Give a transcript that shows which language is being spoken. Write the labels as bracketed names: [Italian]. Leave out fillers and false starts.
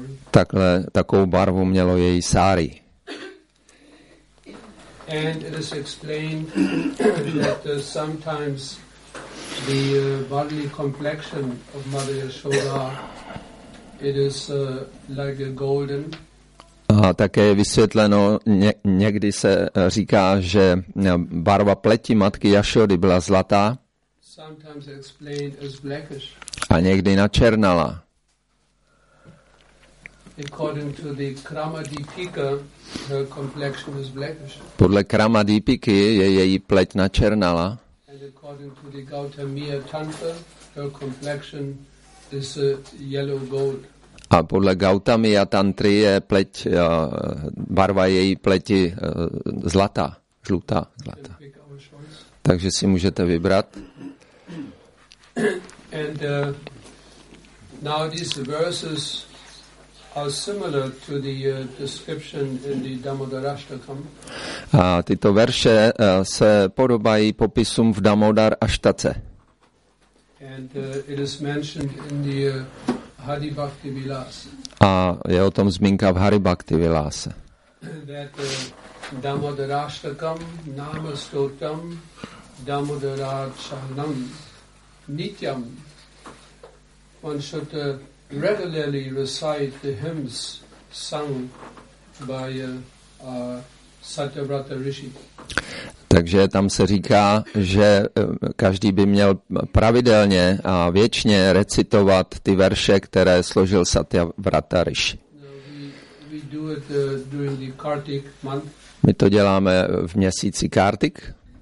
[Czech] Takhle, takovou barvu mělo její sári. [English] And it is explained that sometimes the bodily complexion of Mother Yashoda, it is like a golden. [Czech] A také je vysvětleno, někdy se říká, že barva pleti matky Yashody byla zlatá. [English] Sometimes explained as blackish. [Czech] A někdy načernala. [English] According to the Krama Deepika, her complexion is blackish. [Czech] Podle Krama Deepiky je její pleť načernala. [English] And according to the Gautamiya Tantra, her complexion is a yellow gold. [Czech] A podle Gautamiya Tantry je pleť, barva její pleti zlatá, žlutá, zlatá. Takže si můžete vybrat. [English] And now these verses are similar to the description in the Damodarashtakam. [Czech] A tyto verše se podobají popisům v Damodar Aštace. [English] And it is mentioned in the Hari Bhakti Vilas. [Czech] A je o tom zmínka v Hari Bhakti Vilase. [Sanskrit] That Damodarashtakam namastotam Damodarachanam nityam. [English] One should regularly recite the hymns sung by Satyavrata Rishi. [Czech] Takže tam se říká, že každý by měl pravidelně a věčně recitovat ty verše, které složil Satyavrata Rishi. [English] We do it during the Kartik month. [Czech] My to děláme v měsíci Kartik.